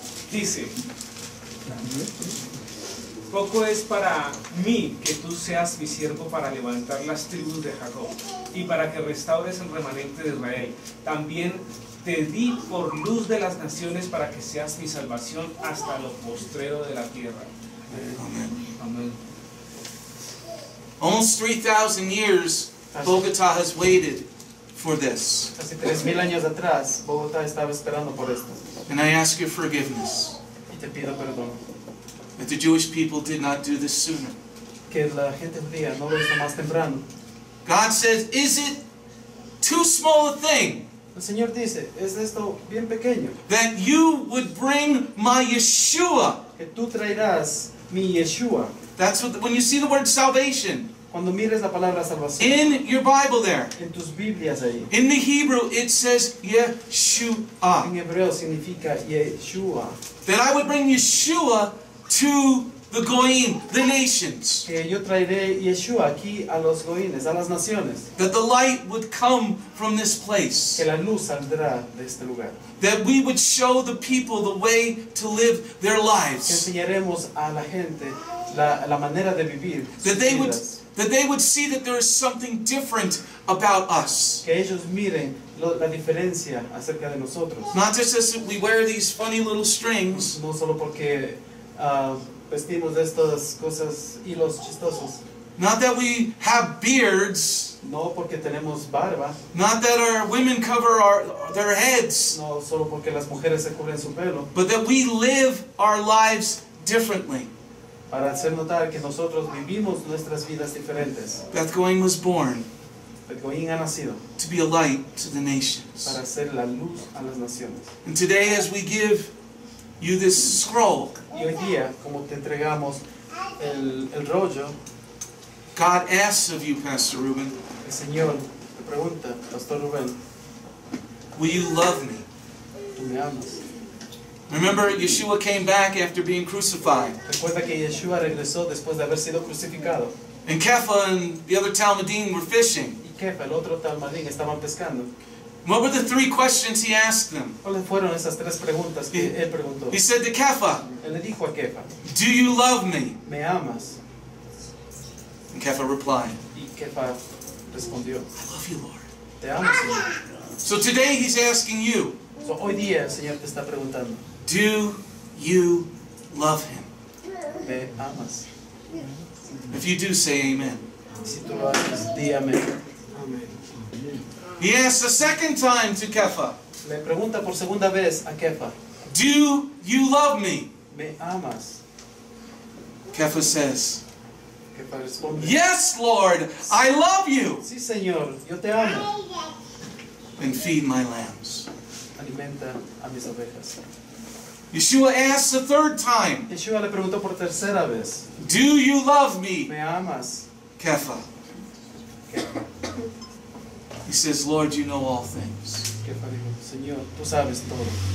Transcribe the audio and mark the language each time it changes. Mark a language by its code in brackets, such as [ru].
[es] Dice, poco es para mí que tú seas mi siervo para levantar las tribus de Jacob y para que restaures el remanente de Israel. También te di por luz de las naciones para que seas mi salvación hasta lo postrero de la tierra. Amén. [en] Almost 3,000 years, Bogotá has waited for this. [es] Hace 3,000 años atrás, Bogotá estaba esperando por esto. [en] And I ask your forgiveness. [es] Y te pido perdón. [en] That the Jewish people did not do this sooner. [es] Que la gente judía no lo hizo más temprano. [en] God says, is it too small a thing? [es] El Señor dice, ¿es esto bien pequeño? [en] That you would bring my Yeshua. [es] Que tú traerás mi Yeshua. [en] That's what the, when you see the word salvation. [es] Cuando mires la palabra salvación. [en] In your Bible there. [es] En tus Biblias ahí. [en] In the Hebrew it says Yeshua. [es] En hebreo significa Yeshua. [en] That I would bring Yeshua to the Goyim, the nations. [es] Que yo traeré Yeshua aquí a los Goyines, a las naciones. [en] That the light would come from this place. [es] Que la luz saldrá de este lugar. [en] That we would show the people the way to live their lives. [es] Que enseñaremos a la gente la manera de vivir. [en] That they would see that there is something different about us. [es] Que ellos miren la diferencia acerca de nosotros. [en] Not just as we wear these funny little strings. [es] No solo porque vestimos de estas cosas hilos chistosos. [en] Not that we have beards. [es] No porque tenemos barba. [en] Not that our women cover their heads. [es] No solo porque las mujeres se cubren su pelo. [en] But that we live our lives differently. [es] Para hacer notar que nosotros vivimos nuestras vidas diferentes. [en] Beth Goyim was born. [es] Beth Goyim ha nacido. [en] To be a light to the nations. [es] Para ser la luz a las naciones. [en] And today as we give you this scroll. [es] Y hoy día, como te entregamos el rollo, [en] God asks of you, Pastor Ruben. [es] El Señor te pregunta, Pastor Ruben. [en] Will you love me? [es] ¿Tú me amas? [en] Remember, Yeshua came back after being crucified. [es] Recuerda que Yeshua regresó después de haber sido crucificado. [en] And Kepha and the other Talmudim were fishing. [es] Y Kepha, el otro Talmudim, estaban pescando. [en] What were the three questions he asked them? [es] ¿Cuáles fueron esas tres preguntas que él preguntó? [en] He said to Kepha, [es] él le dijo a Kepha, [en] do you love me? [es] ¿Me amas? [en] And Kepha replied, [es] y Kepha respondió, [en] I love you, Lord. [es] Te amo, Señor. [en] So today he's asking you, [es] so hoy día el Señor te está preguntando, [en] do you love him? [es] ¿Me amas? [en] If you do, say amen. [es] Si tú lo haces, di amén. Amén. [en] He asks a second time to Kepha. [es] Le pregunta por segunda vez a Kepha. [en] Do you love me? [es] ¿Me amas? [en] Kepha says, [es] Kepha responde, [en] yes, Lord, I love you. [es] Sí, Señor, yo te amo. [en] And feed my lambs. [es] Alimenta a mis ovejas. [en] Yeshua asks a third time. [es] Yeshua le preguntó por tercera vez. [en] Do you love me? [es] ¿Me amas? Kepha. [en] He says, Lord, you know all things. [es] Kepha dijo, Señor, tú sabes todo.